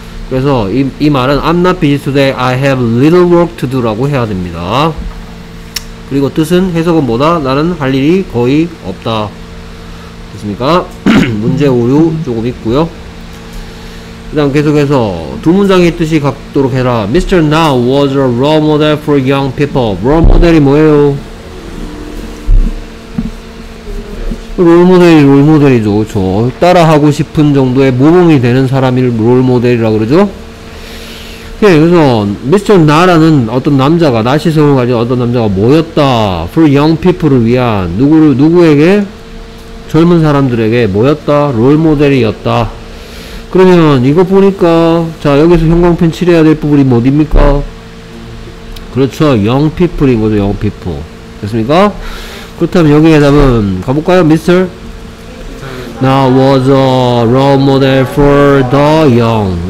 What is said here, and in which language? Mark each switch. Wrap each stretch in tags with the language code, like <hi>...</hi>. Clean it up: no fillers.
<ko>그래서 이 말은</ko> <en>I'm not busy today. I have little work to do</en> <ko>라고 해야 됩니다. 그리고 뜻은 해석은 뭐다? 나는 할 일이 거의 없다. 됐습니까? 문제 오류 조금 있고요. 그 다음 계속해서 두 문장의 뜻이 같도록 해라.</ko> <en>Mr. Now was a role model for young people.</en> <ko>role model이 뭐예요? 롤모델이 롤모델이죠. 그렇죠. 따라하고 싶은 정도의 모범이 되는 사람을 롤모델이라고 그러죠. 네, 그래서 미스터 나라는 어떤 남자가 나시성을 가진 어떤 남자가 뭐였다?</ko> <en>For young people을</en> <ko>위한 누구에게? 젊은 사람들에게 뭐였다? 롤모델이었다. 그러면 이거 보니까 자 여기서 형광펜 칠해야 될 부분이 어디입니까? 그렇죠.</ko> <en>young people</en> <ko>인 거죠. young people. 됐습니까? 그렇다면 여기에 답은 가볼까요?</ko> <en>Mr. Now was a role model for the young.</en>